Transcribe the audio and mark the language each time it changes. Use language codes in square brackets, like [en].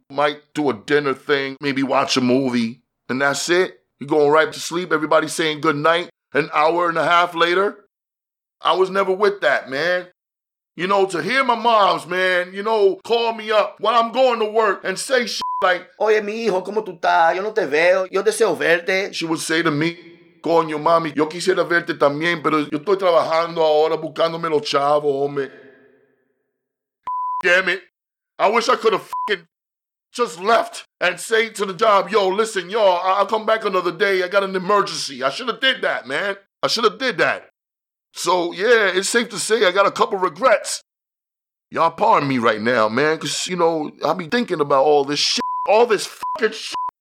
[en] Might do a dinner thing, maybe watch a movie, and that's it. You're going right to sleep. Everybody's saying goodnight an hour and a half later. I was never with that, man. You know, to hear my moms, man, you know, call me up while I'm going to work and say shit like, [es] Oye, mi hijo, ¿cómo tú estás? Yo no te veo. Yo deseo verte. [en] She would say to me, [es] Coño, mami, yo quisiera verte también, pero yo estoy trabajando ahora buscándome los chavos, hombre. [en] Damn it. I wish I could have fucking just left and say to the job, yo, listen, y'all, I'll come back another day. I got an emergency. I should have did that, man. I should have did that. So, yeah, it's safe to say I got a couple regrets. Y'all pardon me right now, man, because, you know, I be thinking about all this shit, all this fucking shit.